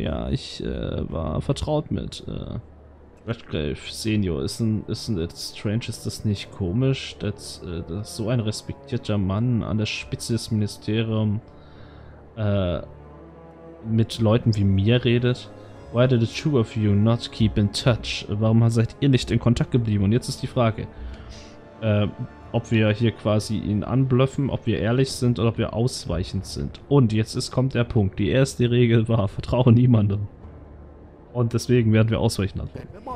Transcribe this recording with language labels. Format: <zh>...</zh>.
<de>Ja, ich war vertraut mit Redgrave Senior.</de> <en>Isn't it strange?</en> <de>Ist das nicht komisch, dass so ein respektierter Mann an der Spitze des Ministeriums mit Leuten wie mir redet?</de> <en>Why did the two of you not keep in touch?</en> <de>Warum seid ihr nicht in Kontakt geblieben? Und jetzt ist die Frage. Ob wir hier quasi ihn anblöffen, ob wir ehrlich sind oder ob wir ausweichend sind. Und jetzt kommt der Punkt. Die erste Regel war, vertraue niemandem. Und deswegen werden wir ausweichend antworten.</de>